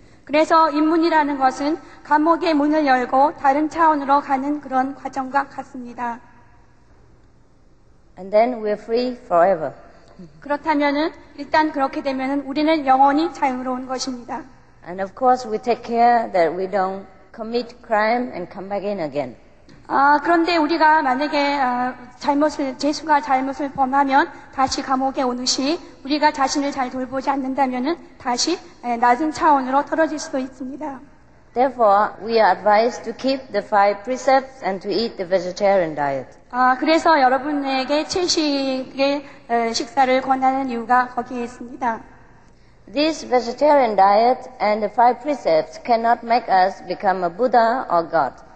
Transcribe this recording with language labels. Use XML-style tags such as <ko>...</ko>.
<ko>그래서 입문이라는 것은 감옥의 문을 열고 다른 차원으로 가는 그런 과정과 같습니다.</ko> <en>And then we're free forever.</en> <ko>그렇다면은 일단 그렇게 되면은 우리는 영원히 자유로운 것입니다.</ko> <en>And of course we take care that we don't commit crime and come back in again.</en> <ko>아, 그런데 우리가 만약에 죄수가 잘못을 범하면 다시 감옥에 오는 시 우리가 자신을 잘 돌보지 않는다면은 다시 낮은 차원으로 떨어질 수도 있습니다.</ko> <en>Therefore, we are advised to keep the five precepts and to eat the vegetarian diet.</en> <ko>아, 그래서 여러분에게 채식의 식사를 권하는 이유가 거기에 있습니다.</ko> <en>This vegetarian diet and the five precepts cannot make us become a Buddha or God.</en>